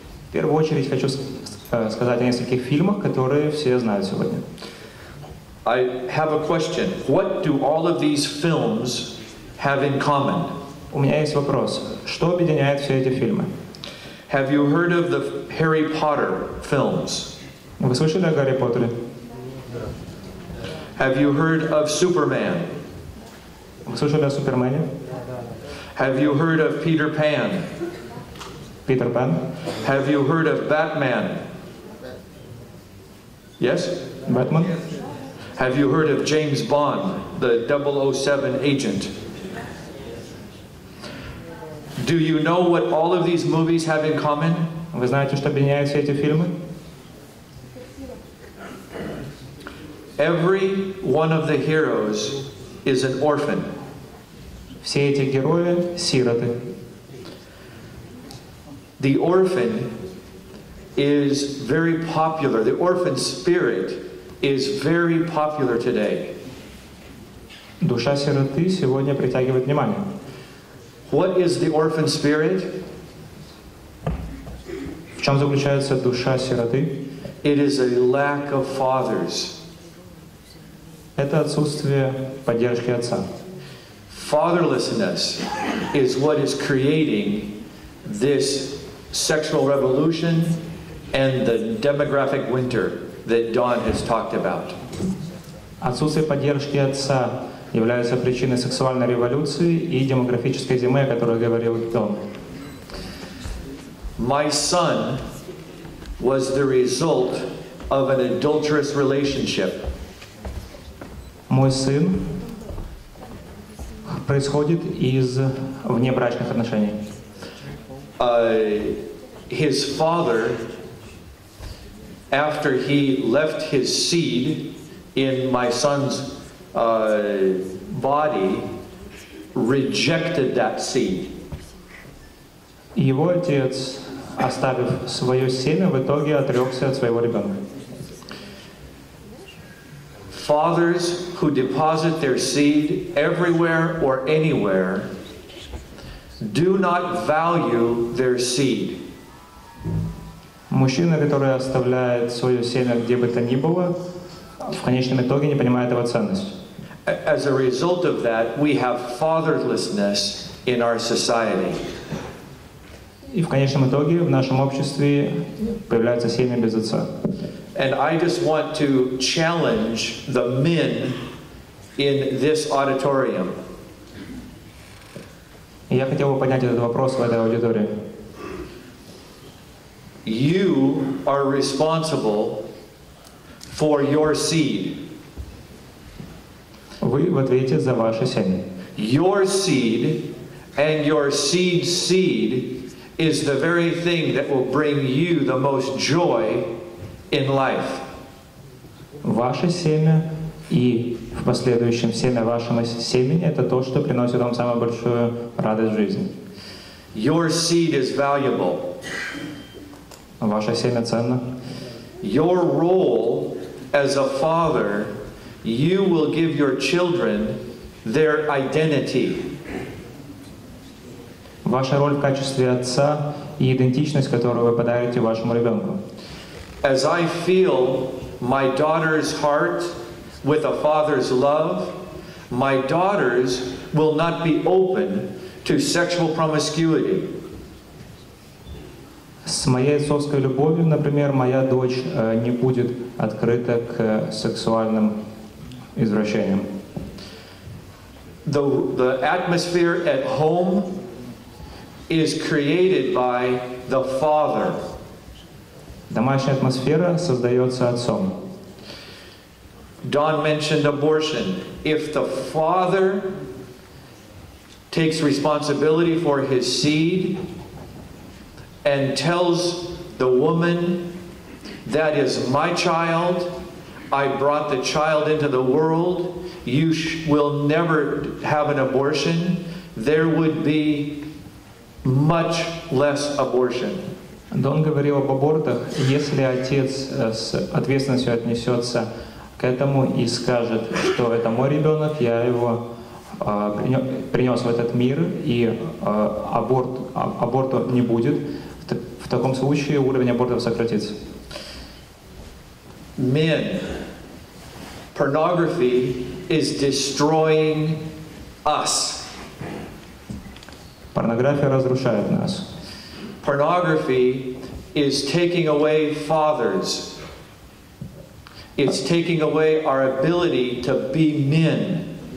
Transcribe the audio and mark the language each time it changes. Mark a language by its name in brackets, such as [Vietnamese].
[Russian] В первую очередь хочу сказать о нескольких фильмах, которые все знают сегодня. [English] I have a question. What do all of these films have in common? [Russian] У меня есть вопрос. Что объединяет все эти фильмы? [English] Have you heard of the Harry Potter films? [Russian] Вы слышали о Гарри Поттере? [English] Have you heard of Superman? [Russian] Вы слышали о Супермене? [English] Have you heard of Peter Pan? Peter Pan? Have you heard of Batman? Yes? Batman? Have you heard of James Bond, the 007 agent? Do you know what all of these movies have in common? [Russian] Вы знаете, что объединяют все эти фильмы? [English] Every one of the heroes is an orphan. [Russian] Все эти герои — сироты. [English] The orphan is very popular. The orphan spirit is very popular today. [Russian] Душа сироты сегодня притягивает внимание. [English] What is the orphan spirit? [Russian] В чем заключается душа сироты? [English] It is a lack of fathers. [Russian] Это отсутствие поддержки отца. [English] Fatherlessness is what is creating this sexual revolution and the demographic winter that Don has talked about. [Russian] Отсутствие поддержки отца является причиной сексуальной революции и демографической зимы, о которой говорил Дон. [English] My son was the result of an adulterous relationship. [Russian] Мой сын происходит из внебрачных отношений. [English] His father, after he left his seed in my son's body, rejected that seed. [Russian] Его отец, оставив свое семя, в итоге отрекся от своего ребенка. [English] Fathers who deposit their seed everywhere or anywhere do not value their seed. [Russian] Мужчина, который оставляет свое семя где бы то ни было, в конечном итоге не понимает его ценность. [English] As a result of that, we have fatherlessness in our society. [Russian] И в конечном итоге в нашем обществе появляется семя без отца. [English] And I just want to challenge the men in this auditorium. [Russian] Я хотел бы поднять этот вопрос в этой аудитории. [English] You are responsible for your seed. [Russian] Вы в ответе за ваше семя. [English] Your seed and your seed's seed is the very thing that will bring you the most joy in life. [Russian] Ваше семя и в последующем семя вашего семени — это то, что приносит вам самую большую радость в жизни. [English] Your seed is valuable. [Russian] Ваше семя ценно. [English] Your role as a father, you will give your children their identity. [Russian] Ваша роль в качестве отца и идентичность, которую вы подарите вашему ребенку. [English] As I feel my daughter's heart with a father's love, my daughters will not be open to sexual promiscuity. [Russian] С моей отцовской любовью, например, моя дочь не будет открыта к сексуальным извращениям. [English] The atmosphere at home is created by the father. [Russian] Домашняя атмосфера создается отцом. [English] Don mentioned abortion. If the father takes responsibility for his seed and tells the woman, that is my child, I brought the child into the world, you will never have an abortion, there would be much less abortion. [Russian] Дон говорил об абортах. Если отец с ответственностью отнесется к этому и скажет, что это мой ребенок, я его принес в этот мир, и аборта не будет, в таком случае уровень абортов сократится. [English] Men, pornography is destroying us. [Russian] Порнография разрушает нас. [English] Pornography is taking away fathers. It's taking away our ability to be men.